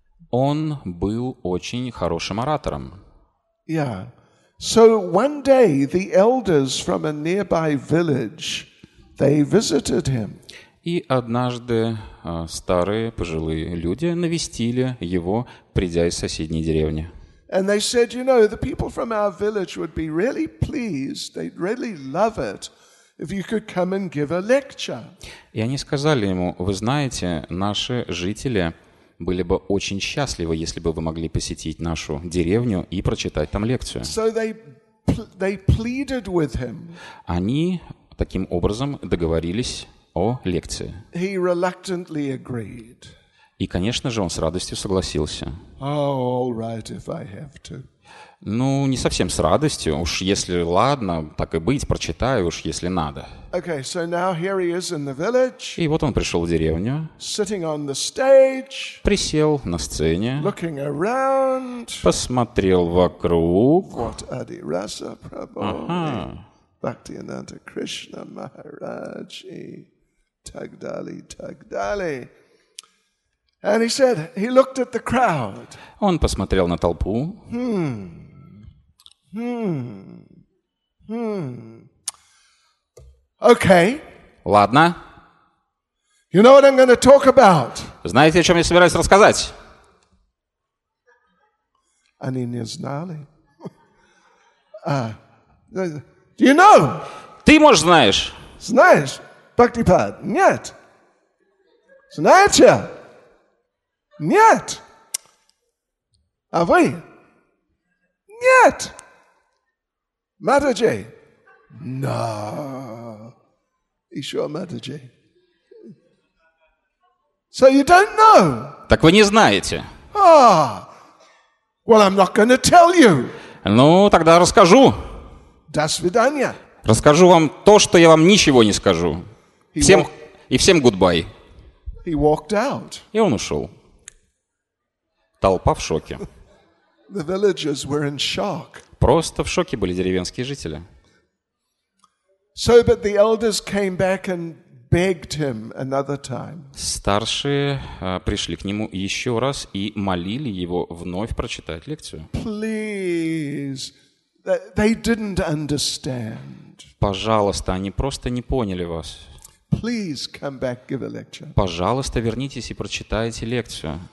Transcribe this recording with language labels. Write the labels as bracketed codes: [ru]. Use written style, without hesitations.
[ru] Он был очень хорошим оратором. [en] Yeah. So one day the elders from a nearby village, they visited him. [ru] И однажды старые пожилые люди навестили его, придя из соседней деревни. [en] And they said, you know, the people from our village would be really pleased. They'd really love it. If you could come and give a lecture. [ru] И они сказали ему: вы знаете, наши жители были бы очень счастливы, если бы вы могли посетить нашу деревню и прочитать там лекцию. [en] So they pleaded with him. [ru] Они таким образом договорились о лекции. [en] He reluctantly agreed. [ru] И, конечно же, он с радостью согласился. [en] Oh, all right, if I have to. [ru] Ну, не совсем с радостью. Уж если ладно, так и быть, прочитаю, уж если надо. [en] Okay, so now here he is in the village, [ru] и вот он пришел в деревню. [en] Sitting on the stage, [ru] присел на сцене. [en] Looking around, [ru] посмотрел вокруг. [en] What Adirasa Prabhu, [ru] ага. Bhaktivinoda Krishna Maharaj, и так далее, так далее. [en] And he said, he looked at the crowd. [ru] Он посмотрел на толпу. [en] Okay. [ru] Ладно. [en] You know what I'm going to talk about? [ru] Знаете, о чем я собираюсь рассказать? Они не знали. [en] Do you know? [ru] Ты, может, знаешь? Знаешь, Бхактипад? Нет. Знаете? Нет. А вы? Нет. Матаджи? [en] No. [ru] Еще Матаджи. [en] So you don't know. [ru] Так вы не знаете. [en] Ah. Well, I'm not going to tell you. [ru] Ну, тогда расскажу. До свидания. Расскажу вам то, что я вам ничего не скажу. Всем и всем goodbye. [en] He walked out. [ru] И он ушел. Толпа в шоке. [en] The villagers were in shock. [ru] Просто в шоке были деревенские жители. [en] So, but the elders came back and begged him another time. [ru] Старшие пришли к нему еще раз и молили его вновь прочитать лекцию. [en] Please, they didn't understand. [ru] Пожалуйста, они просто не поняли вас. [en] Please come back, give a lecture. [ru] Пожалуйста, вернитесь и прочитайте лекцию.